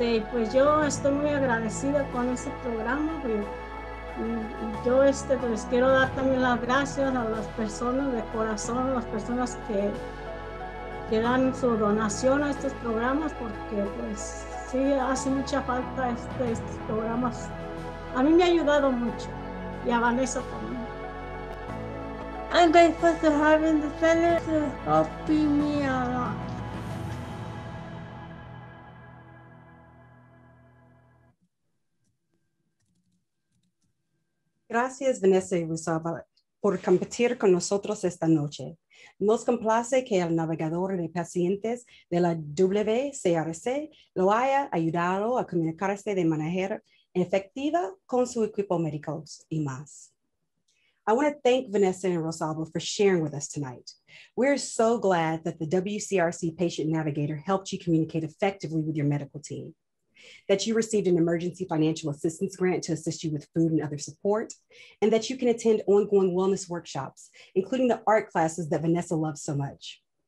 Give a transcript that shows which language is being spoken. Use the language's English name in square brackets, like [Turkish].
[Spanish] Y pues yo estoy muy agradecida con ese programa y yo pues quiero dar también las gracias a las personas de corazón, a las personas que dan su donación a estos programas, porque pues sí hace mucha falta estos programas. A mí me ha ayudado mucho y a Vanessa también. [English] I'm grateful to having the center to help me a lot. [Spanish] Gracias, Vanessa y Rosalba, por compartir con nosotros esta noche. Nos complace que el navegador de pacientes de la WCRC lo haya ayudado a comunicarse de manera efectiva con su equipo médico y más. [English] I want to thank Vanessa and Rosalba for sharing with us tonight. We're so glad that the WCRC patient navigator helped you communicate effectively with your medical team, that you received an emergency financial assistance grant to assist you with food and other support, and that you can attend ongoing wellness workshops, including the art classes that Vanessa loves so much.